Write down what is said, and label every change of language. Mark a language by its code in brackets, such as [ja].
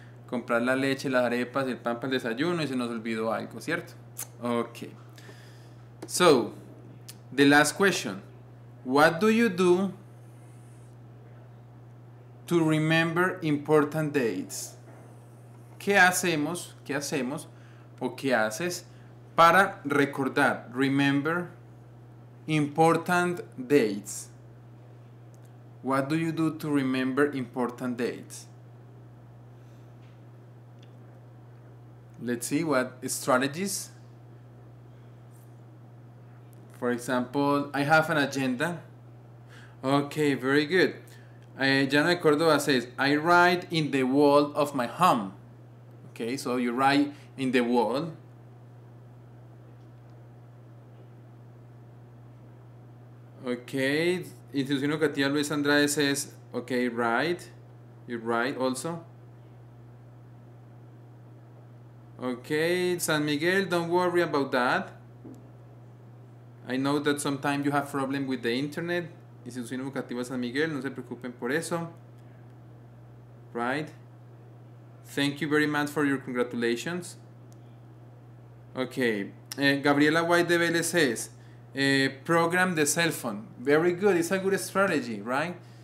[es] Comprar la leche, las arepas, el pan para el desayuno y se nos olvidó algo, ¿cierto? [en] Okay. So, the last question. What do you do to remember important dates? [es] ¿Qué hacemos o qué haces para recordar, [en] remember important dates? What do you do to remember important dates? Let's see what strategies. For example, I have an agenda. Okay, very good. Llano de Córdoba says, I write in the wall of my home. Okay, so you write in the wall. Okay, Institución Educativa Luis Andrade says, okay, write. You write also. Okay, San Miguel, don't worry about that. I know that sometimes you have problem with the internet. [es] Institución Educativa San Miguel, no se preocupen por eso. [en] Right? Thank you very much for your congratulations. Okay. Gabriela White de Vélez says, program the cell phone. Very good. It's a good strategy, right?